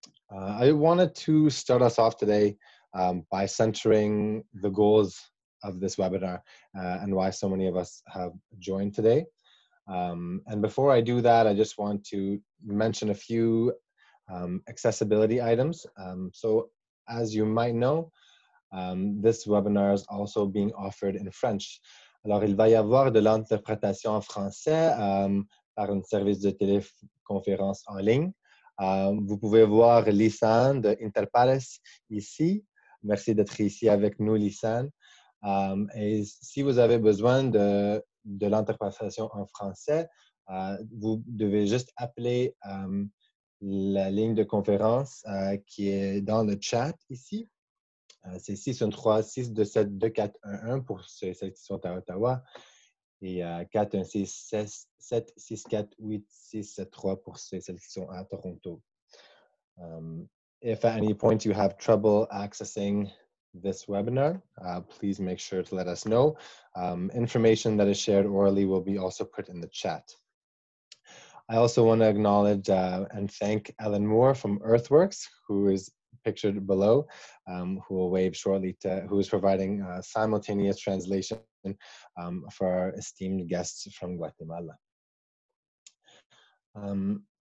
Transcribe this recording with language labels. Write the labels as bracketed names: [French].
[English] I wanted to start us off today by centering the goals of this webinar and why so many of us have joined today. And before I do that, I just want to mention a few accessibility items. So as you might know, this webinar is also being offered in French. [French] Alors, il va y avoir de l'interprétation en français par un service de téléconférence en ligne. Vous pouvez voir Lisanne de Interpares ici. Merci d'être ici avec nous, Lisanne. Et si vous avez besoin de l'interprétation en français, vous devez juste appeler la ligne de conférence qui est dans le chat ici. C'est 613-627-2411 pour ceux et celles qui sont à Ottawa et 416-764-8673 pour ceux et celles qui sont à Toronto. [English] If at any point you have trouble accessing this webinar, please make sure to let us know. Information that is shared orally will be also put in the chat. I also want to acknowledge and thank Ellen Moore from Earthworks, who is pictured below, who will wave shortly to, who is providing a simultaneous translation for our esteemed guests from Guatemala.